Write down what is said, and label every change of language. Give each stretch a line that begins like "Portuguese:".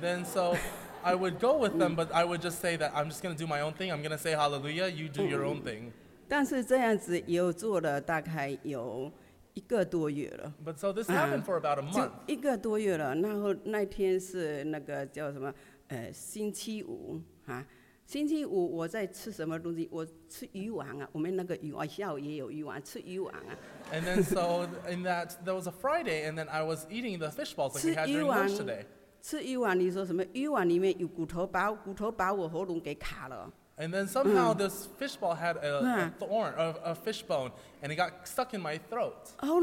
English: then so I would go with them, but I would just say that I'm just going to do my own thing. I'm going to say hallelujah. You do your own thing.
Chinese: 但是这样子有做了大概有。
English: But so this happened for about a month.
Chinese: 一个多月了，然后那天是那个叫什么，星期五啊，星期五我在吃什么东西？我吃鱼丸啊，我们那个鱼丸，下午也有鱼丸，吃鱼丸啊。And
English: then so in that there was a Friday, and then I was eating the fish balls like I had during lunch today.
Chinese: 吃鱼丸，你说什么？鱼丸里面有骨头包，骨头把我喉咙给卡了。
English: And then somehow this fish ball had a fish bone, and it got stuck in my throat.